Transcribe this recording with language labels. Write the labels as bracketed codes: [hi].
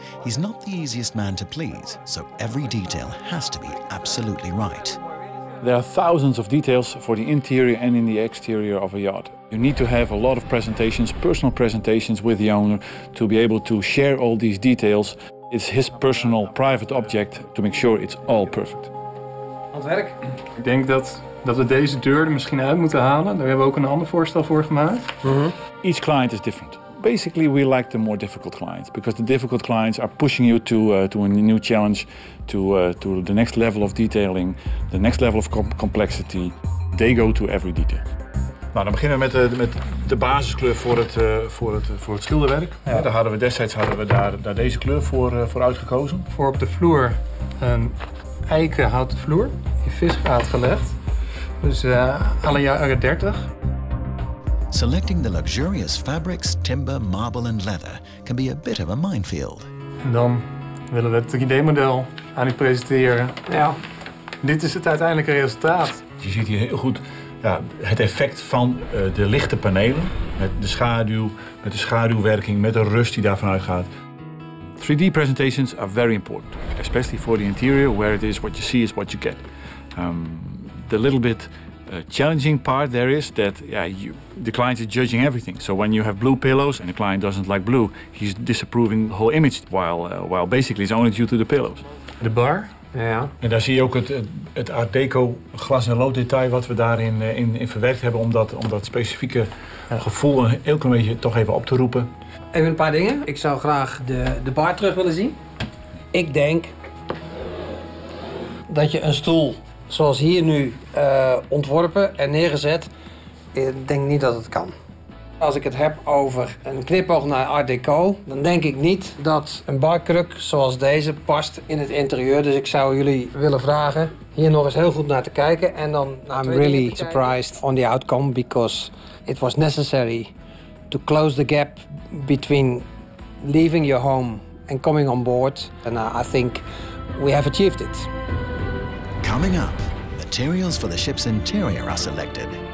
[en] He's not the easiest man to please, so every detail has to be absolutely right. There are thousands of details for the interior and in the exterior of a yacht. You need to have a lot of presentations, personal presentations with the owner, to be able to share all these details. It's his personal, private object to make sure it's all perfect. [nl] Handwerk. Ik denk dat we deze deur er misschien uit moeten halen. Daar hebben we ook een ander voorstel voor gemaakt. [en] Mm-hmm. Each client is different. Basically, we like the more difficult clients, because the difficult clients are pushing you to a new challenge, to the next level of detailing, the next level of complexity. They go to every detail. [nl] Nou, dan beginnen we met de basiskleur voor het schilderwerk. Ja. Daar hadden we destijds deze kleur voor uitgekozen. Voor op de vloer een eikenhouten vloer in visgraat gelegd. Dus alle jaren 30. [en] Selecting the luxurious fabrics, timber, marble and leather can be a bit of a minefield. [nl] En dan willen we het 3D-model aan u presenteren. Ja. Dit is het uiteindelijke resultaat. Je ziet hier heel goed het effect van de lichte panelen. Met de schaduw, met de schaduwwerking, met de rust die daarvan uitgaat. [en] 3D presentations are very important, especially for the interior, where it is what you see is what you get. The little bit challenging part there is that the client is judging everything. So when you have blue pillows and the client doesn't like blue, he's disapproving the whole image, while basically it's only due to the pillows. The bar? [nl] Ja. En daar zie je ook het Art Deco glas en lood detail wat we daarin in verwerkt hebben om dat specifieke gevoel een heel klein beetje toch even op te roepen. Even een paar dingen. Ik zou graag de bar terug willen zien. Ik denk dat je een stoel zoals hier nu ontworpen en neergezet, ik denk niet dat het kan. Als ik het heb over een knipoog naar Art Deco, dan denk ik niet dat een barkruk zoals deze past in het interieur. Dus ik zou jullie willen vragen hier nog eens heel goed naar te kijken. En dan [en] I'm really surprised on the outcome because it was necessary to close the gap between leaving your home and coming on board. And I think we have achieved it. Coming up, materials for the ship's interior are selected.